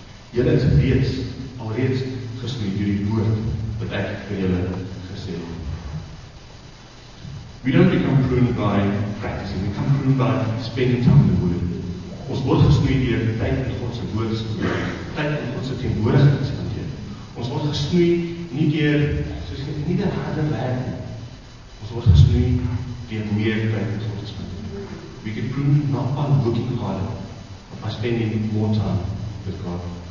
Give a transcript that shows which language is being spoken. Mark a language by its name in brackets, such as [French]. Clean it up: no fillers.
[Afrikaans] Julle is reeds, alreeds gesny deur die woord, wat ek vir julle gesê het. [English] We don't become pruned by practicing, we become pruned by spending time in the word. [Afrikaans] Ons word gesnoei deur tyd in God se woord te spandeer, tyd in God se teenwoordigheid te spandeer. Ons word gesnoei nie deur soos ek nie dat harde werk nie. Ons word gesnoei deur meer tyd in God te spandeer. [English] We can prune not by working harder, but by spending more time with God.